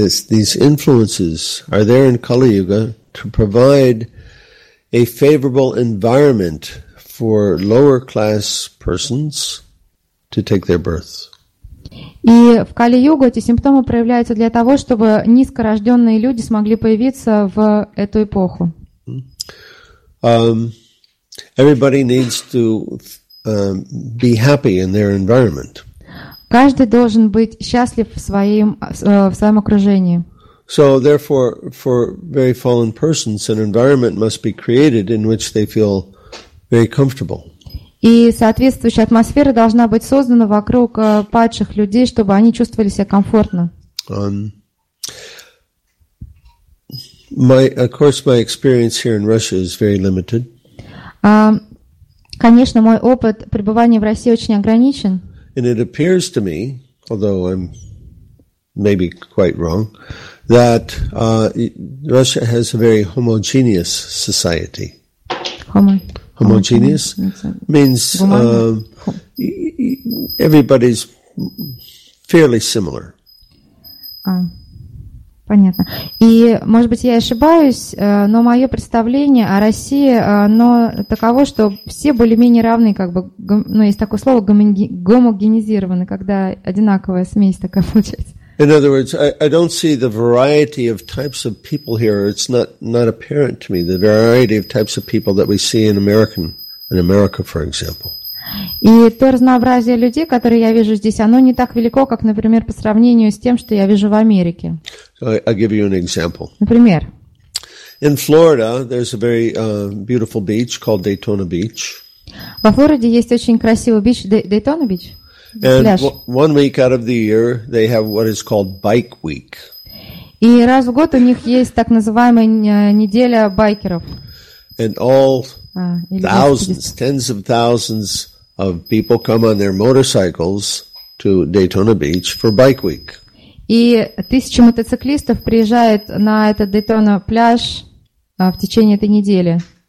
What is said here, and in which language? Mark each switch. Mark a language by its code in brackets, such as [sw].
[en] These influences are there in Kali Yuga to provide a favorable environment for lower class persons to take their birth. [ru] И в Кали Юга эти симптомы проявляются для того, чтобы низкорожденные люди смогли появиться в эту эпоху. [en] Everybody needs to be happy in their environment. [ru] Каждый должен быть счастлив в своем окружении. [en] So therefore, for very fallen persons, an environment must be created in which they feel very comfortable. [ru] И соответствующая атмосфера должна быть создана вокруг падших людей, чтобы они чувствовали себя комфортно. [en] My experience here in Russia is very limited. [ru] Конечно, мой опыт пребывания в России очень ограничен. [en] And it appears to me, although I'm maybe quite wrong, that Russia has a very homogeneous society. Homogeneous means everybody's fairly similar. [ru] Понятно. И, может быть, я ошибаюсь, но мое представление о России, оно таково, что все более-менее равны, как бы, ну, есть такое слово, гомогенизированы, когда одинаковая смесь такая получается. [en] In other words, I don't see the variety of types of people here. It's not apparent to me, the variety of types of people that we see in America, for example. [ru] И то разнообразие людей, которые я вижу здесь, оно не так велико, как, например, по сравнению с тем, что я вижу в Америке. [en] I'll give you an example. [ru] Например. [en] In Florida, there's a very beautiful beach called Daytona Beach. [ru] Во Флориде есть очень красивый бич, Daytona Beach. [en] And one week out of the year, they have what is called Bike Week. [ru] И раз в год у них есть так называемая неделя байкеров. [en] And all thousands, tens of thousands of people come on their motorcycles to Daytona Beach for Bike Week. [ru] И тысячи мотоциклистов приезжают на этот Daytona пляж в течение этой недели.